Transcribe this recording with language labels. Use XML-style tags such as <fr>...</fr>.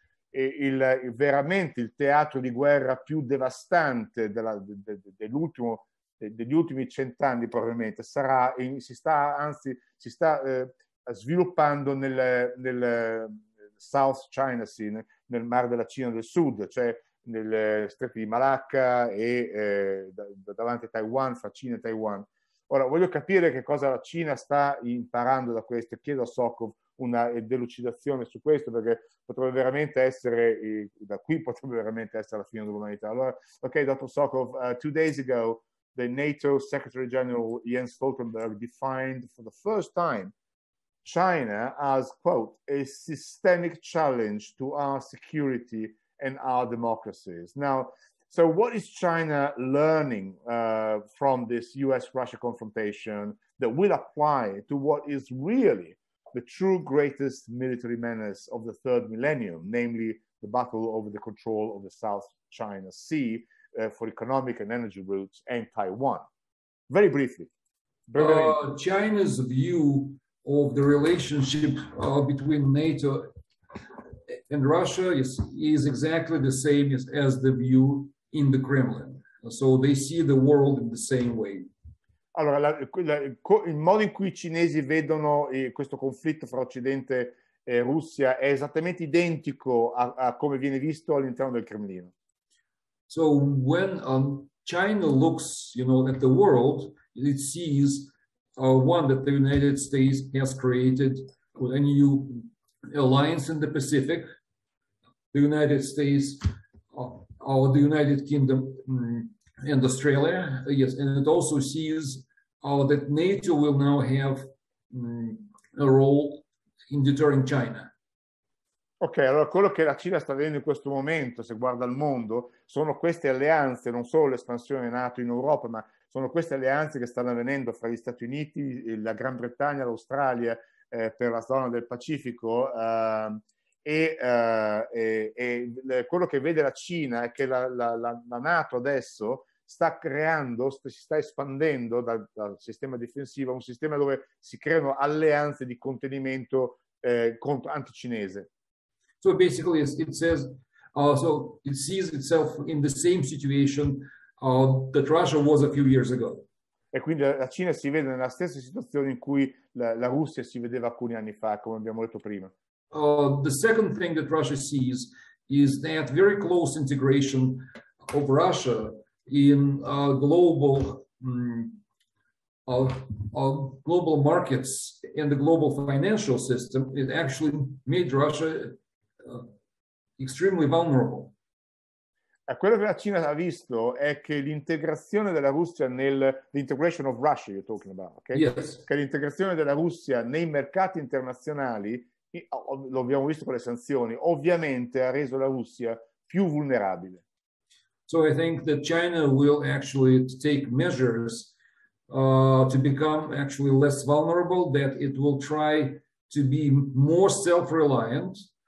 <it>veramente il teatro di guerra più devastante degli ultimi 100 anni probabilmente si sta sviluppando nel South China Sea, nel mar della Cina del Sud, cioè nel stretto di Malacca e davanti a Taiwan, fra Cina e Taiwan. Ora voglio capire che cosa la Cina sta imparando da questo, e chiedo a Sokov una delucidazione su questo, perché potrebbe veramente essere da qui potrebbe veramente essere la fine dell'umanità. Allora, ok, Dr.</it> <en>Sokov, 2 days ago the NATO Secretary General Jens Stoltenberg defined for the first time China as, quote, a systemic challenge to our security and our democracies. Now, so what is China learning from this US-Russia confrontation that will apply to what is really the true greatest military menace of the third millennium, namely the battle over the control of the South China Sea, for economic and energy routes, and Taiwan? Very briefly. China's view of the relationship between NATO and Russia is exactly the same as the view in the Kremlin. So they see the world in the same way.</en> <it>Allora, il modo in cui i cinesi vedono questo conflitto fra Occidente e Russia è esattamente identico a come viene visto all'interno del Cremlino.</it> <en>So when China looks, you know, at the world, it sees one that the United States has created a new alliance in the Pacific, the United States, or the United Kingdom and Australia, yes, and it also sees that NATO will now have a role in deterring China.</en> <it>Ok, allora quello che la Cina sta vedendo in questo momento, se guarda il mondo, sono queste alleanze, non solo l'espansione NATO in Europa, ma sono queste alleanze che stanno avvenendo fra gli Stati Uniti, la Gran Bretagna, l'Australia per la zona del Pacifico. Quello che vede la Cina è che la NATO adesso sta creando, si sta espandendo dal sistema difensivo a un sistema dove si creano alleanze di contenimento anticinese.</it> <en>So basically, it says, so it sees itself in the same situation that Russia was a few years ago.</en> <it>E quindi la Cina si vede nella stessa situazione in cui la Russia si vedeva alcuni anni fa, come abbiamo detto prima.</it> <en>The second thing that Russia sees is that very close integration of Russia in global markets and the global financial system, it actually made Russia extremely vulnerable.</en> <it>Quello che la Cina ha visto è che l'integrazione della Russia l'</it> <en>integration of Russia, you're talking about, okay? Yes.</en> <it>Che l'integrazione della Russia nei mercati internazionali, lo abbiamo visto con le sanzioni, ovviamente ha reso la Russia più vulnerabile.</it> <en>So I think that China will actually take measures to become actually less vulnerable, that it will try to be more self-reliant.</en>